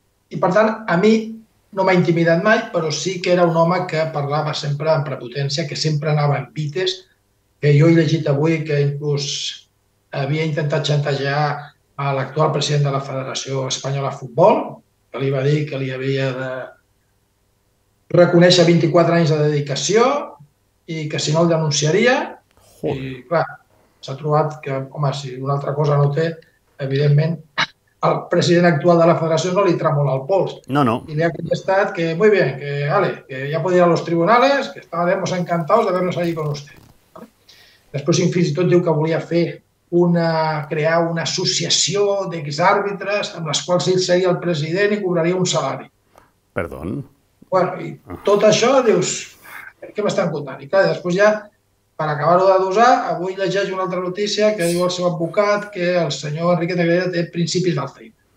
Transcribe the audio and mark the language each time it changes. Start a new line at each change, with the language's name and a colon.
Catalan: I per tant, a mi no m'ha intimidat mai, però sí que era un home que parlava sempre amb prepotència, que sempre anava amb pites, que jo he llegit avui que inclús havia intentat xantatgear a l'actual president de la Federació Espanyola de Futbol, que li va dir que li havia de reconèixer 24 anys de dedicació i que si no el denunciaria. Joder. I clar, s'ha trobat que, home, si una altra cosa no té, evidentment, el president actual de la Federació no li tremola el pols. No, no. I li ha contestat que,
Spanish: muy bien, que, vale,
Catalan: que ja pot ir
Spanish: a los tribunales, que estaremos encantados de vernos allí con usted.
Catalan: Després, fins i tot, diu que volia fer una, crear una associació d'exàrbitres amb les quals ell seria el president i cobraria un salari.
Spanish: Perdón.
Catalan: Bueno, i tot això, dius, què m'estan contant? I clar, després ja, per acabar-ho de dosar, avui llegeix una altra notícia que diu el seu advocat que el senyor Enrique Negreira té principis d'Alzheimer.